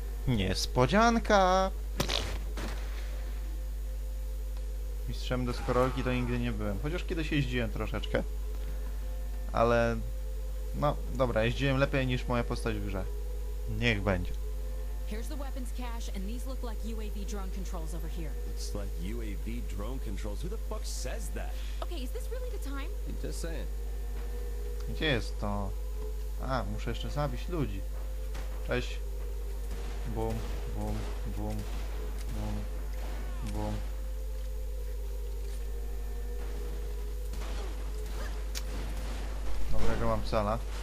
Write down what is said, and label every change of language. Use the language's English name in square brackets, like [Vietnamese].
[Polish] Niespodzianka! Mistrzem deskorolki to nigdy nie byłem. Chociaż kiedyś jeździłem troszeczkę. Ale... No, dobra, jeździłem lepiej niż moja postać w grze. Niech będzie. [English] Here's the weapons cache, and these look like UAV drone controls over here. Looks like UAV drone controls? Who the fuck says that? Okay, is this really the time? I'm just saying. [Polish] Gdzie jest to? A, muszę jeszcze zabić ludzi. Cześć. Bum, bum, bum, bum, bum. Dobrego mam cela.